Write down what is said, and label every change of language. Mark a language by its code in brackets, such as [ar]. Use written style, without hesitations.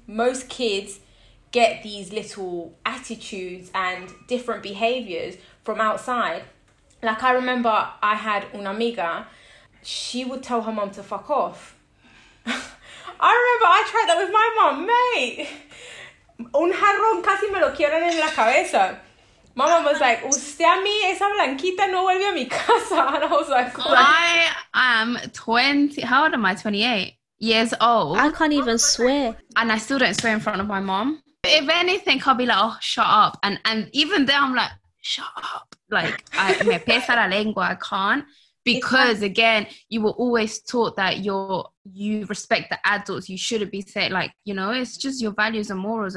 [en] Most kids get these little attitudes and different behaviors from outside. Like, I remember I had [es] una amiga, [en] she would tell her mom to fuck off. I remember I tried that with my mom, mate. [es] Un jarrón casi me lo quieren en la cabeza. [en] My mom was like, [es] usted a mí, esa blanquita no vuelve a mi casa. [en] And I was like, oh. I am 20, how old am I, 28 years old? I can't even swear. And I still don't swear in front of my mom. If anything, I'll be like, oh, shut up. And even then, I'm like, shut up. Like, I [es] me pesa la lengua, [en] I can't, because again, you were always taught that you respect the adults, you shouldn't be saying, like, you know, it's just your values and morals.